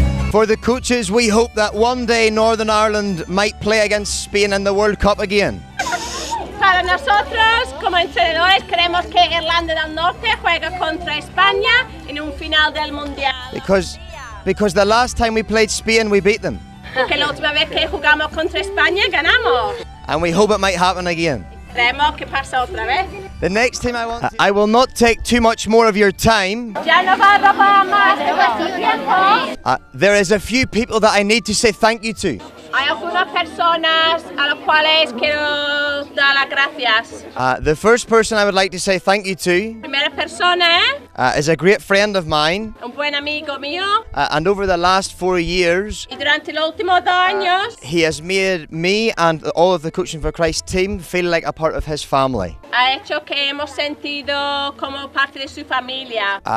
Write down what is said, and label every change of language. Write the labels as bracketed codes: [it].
[en] For the coaches, we hope that one day Northern Ireland might play against Spain in the World Cup again. [es] Para nosotros, como entrenadores, queremos que Irlanda del Norte juegue contra España en un final del Mundial. [en] Because the last time we played Spain, we beat them. [es] Porque la última vez que jugamos contra España, ganamos. [en] And we hope it might happen again. [es] Queremos que pase otra vez. [en] The next team I want to... I will not take too much more of your time. [es] Ya no va a robar más de vuestro tiempo. [en] There is a few people that I need to say thank you to. [es] Hay algunas personas a las cuales quiero dar las gracias. [en] The first person I would like to say thank you to... [es] Primera persona... [en] Is a great friend of mine. [es] Un buen amigo mío. [en] And over the last 4 years... [es] Y durante los últimos 2 años... [en] He has made me and all of the Coaching for Christ team feel like a part of his family. [es] Ha hecho que hemos sentido como parte de su familia.